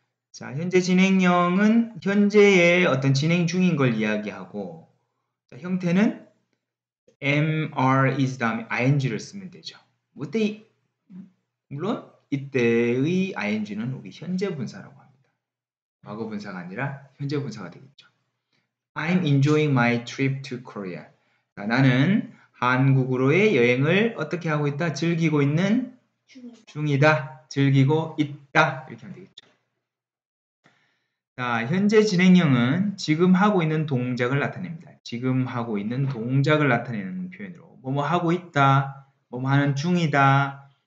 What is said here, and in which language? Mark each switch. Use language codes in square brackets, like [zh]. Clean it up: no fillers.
[ko] 자, 현재 진행형은 현재의 어떤 진행 중인 걸 이야기하고, 자, 형태는 am, are, is 다음에 ing를 쓰면 되죠. 물론 이때의 ing는 우리 현재 분사라고 합니다. 과거 분사가 아니라 현재 분사가 되겠죠. [en] I'm enjoying my trip to Korea. [ko] 자, 나는 한국으로의 여행을 어떻게 하고 있다? 즐기고 있는 중이다. 즐기고 있다. 이렇게 하면 되겠죠. 자, 현재 진행형은 지금 하고 있는 동작을 나타냅니다. 지금 하고 있는 동작을 나타내는 표현으로 뭐뭐 하고 있다, 뭐뭐 하는 중이다.